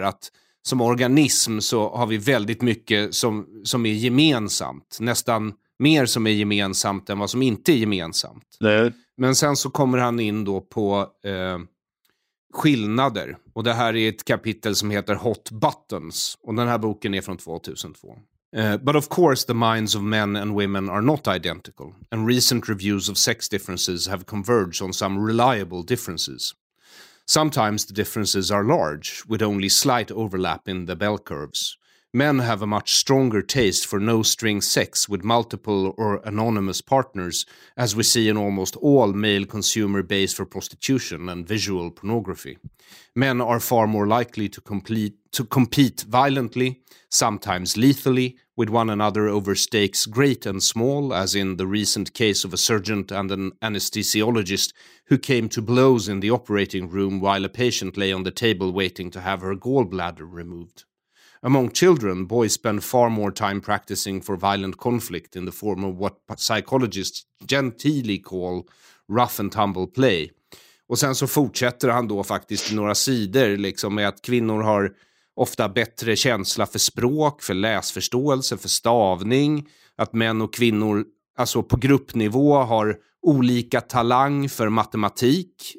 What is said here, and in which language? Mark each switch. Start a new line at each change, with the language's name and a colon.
Swedish: Att som organism så har vi väldigt mycket som är gemensamt. Nästan mer som är gemensamt än vad som inte är gemensamt. Nej. Men sen så kommer han in då på skillnader. Och det här är ett kapitel som heter Hot Buttons. Och den här boken är från 2002.
English: But of course the minds of men and women are not identical, and recent reviews of sex differences have converged on some reliable differences. Sometimes the differences are large, with only slight overlap in the bell curves. Men have a much stronger taste for no-string sex with multiple or anonymous partners, as we see in almost all male consumer base for prostitution and visual pornography. Men are far more likely to compete violently, sometimes lethally, with one another over stakes great and small, as in the recent case of a surgeon and an anesthesiologist who came to blows in the operating room while a patient lay on the table waiting to have her gallbladder removed. Among children, boys spend far more time practicing for violent conflict in the form of what psychologists genteelly call rough and tumble play.
Swedish: Och sen så fortsätter han då faktiskt i några sidor liksom, med att kvinnor har ofta bättre känsla för språk, för läsförståelse, för stavning. Att män och kvinnor, alltså på gruppnivå, har olika talang för matematik.